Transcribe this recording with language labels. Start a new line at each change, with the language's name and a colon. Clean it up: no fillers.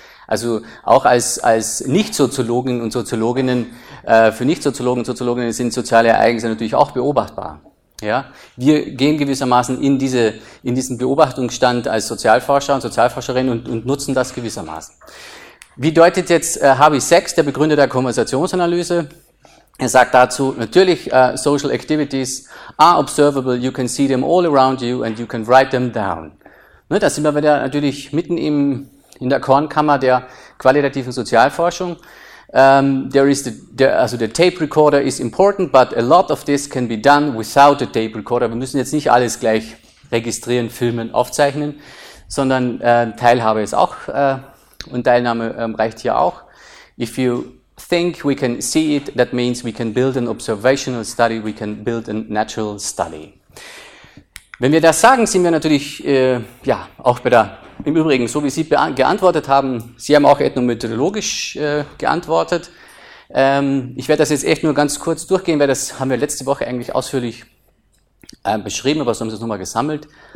German: Also auch als Nicht-Soziologen und Soziologinnen, für Nicht-Soziologen und Soziologinnen sind soziale Ereignisse natürlich auch beobachtbar. Ja? Wir gehen gewissermaßen in diesen Beobachtungsstand als Sozialforscher und Sozialforscherinnen und nutzen das gewissermaßen. Wie deutet jetzt Harvey Sachs, der Begründer der Konversationsanalyse? Er sagt dazu, natürlich,
English: social activities are observable, you can see them all around you and you can write them down.
German: Ne, da sind wir wieder natürlich mitten in der Kornkammer der qualitativen Sozialforschung.
English: The tape recorder is important, but a lot of this can be done without the tape recorder.
German: Wir müssen jetzt nicht alles gleich registrieren, filmen, aufzeichnen, sondern Teilhabe ist auch und Teilnahme reicht hier auch.
English: If you think we can see it, that means we can build an observational study, we can build a natural study.
German: Wenn wir das sagen, sind wir natürlich auch bei der, im Übrigen, so wie Sie geantwortet haben, Sie haben auch ethnomethodologisch geantwortet. Ich werde das jetzt echt nur ganz kurz durchgehen, weil das haben wir letzte Woche eigentlich ausführlich beschrieben, aber so haben Sie es nochmal gesammelt.